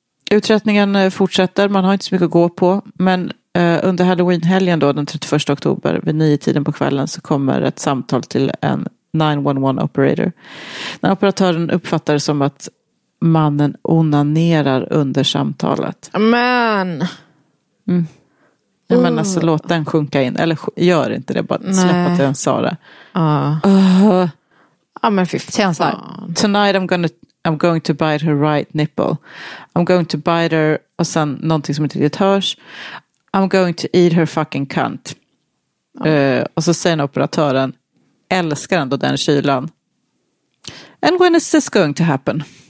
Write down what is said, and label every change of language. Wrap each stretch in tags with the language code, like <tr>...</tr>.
<sv>Uträttningen fortsätter. Man har inte så mycket att gå på. Men under Halloween-helgen då, den 31 oktober, vid 9-tiden på kvällen, så kommer ett samtal till en 911-operator. När operatören uppfattar det som att mannen onanerar under samtalet. Men! Mm. Men alltså, låt den sjunka in. Eller gör inte det, bara släppa till en Sara. Ja, men fy fan.</sv> <en>Tonight I'm going to bite her right nipple. I'm going to bite her,</en> <sv>och sen någonting som inte riktigt hörs.</sv> <en>I'm going to eat her fucking cunt.</en> <sv>Och så säger operatören, älskar ändå den kylan.</sv> <en>And when is this going to happen?</en>